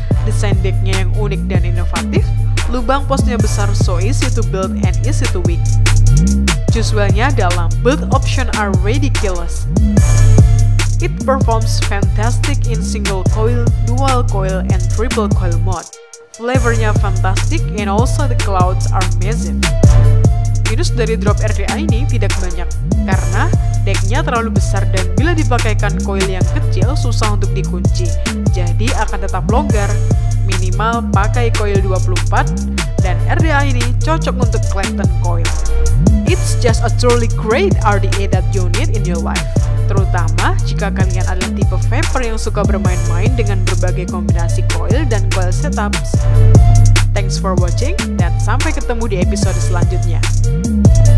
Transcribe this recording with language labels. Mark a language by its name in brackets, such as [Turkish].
[Indonesian] Desain deck-nya yang unik dan inovatif. Lubang posnya besar, [English] so easy to build and easy to weed. [Indonesian] Juice well-nya dalam. [English] Build options are ridiculous. It performs fantastic in single coil, dual coil, and triple coil mode. Flavornya fantastic and also the clouds are massive. [Indonesian] Minus dari Drop RDA ini tidak banyak, karena decknya terlalu besar dan bila dipakaikan coil yang kecil susah untuk dikunci, jadi akan tetap longgar. Minimal pakai coil 24, dan RDA ini cocok untuk Clapton coil. [English] It's just a truly great RDA that you need in your life. [Indonesian] Terutama jika kalian adalah tipe vapor yang suka bermain-main dengan berbagai kombinasi coil dan coil setups. [English] Thanks for watching, [Indonesian] dan sampai ketemu di episode selanjutnya.